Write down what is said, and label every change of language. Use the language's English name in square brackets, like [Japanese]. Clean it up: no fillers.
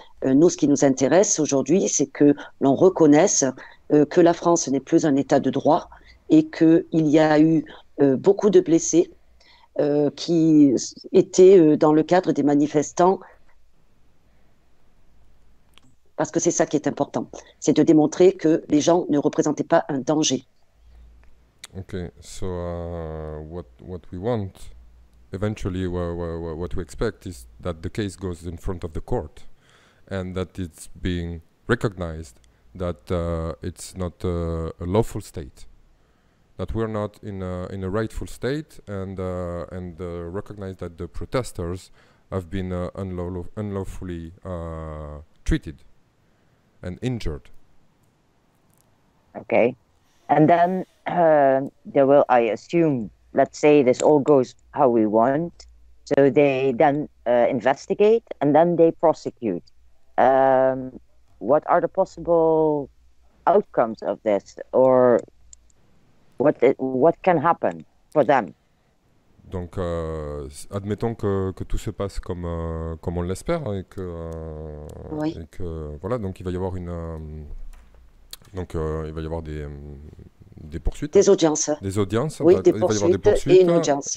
[French] Nous, ce qui nous intéresse aujourd'hui, c'est que l'on reconnaisse que la France n'est plus un état de droit et qu'il y a eu beaucoup de blessés qui étaient dans le cadre des manifestants. Parce que c'est ça qui est important, c'est de démontrer que les gens ne représentaient pas un danger. [English] Ok, so what we want, eventually what we expect is that the case goes in front of the court. And that it's being recognized that it's not a lawful state, that we're not in a rightful state, and recognize that the protesters have been unlawfully treated and injured. Okay, and then there will, I assume, let's say this all goes how we want, so they then investigate and then they prosecute. What are the possible outcomes of this, or what can happen for them? [French] Donc, admettons que tout se passe comme on l'espère Oui. et que voilà, donc il va y avoir il va y avoir des poursuites, Des audiences. des audiences, Oui, des il va y avoir des poursuites et poursuites une audience.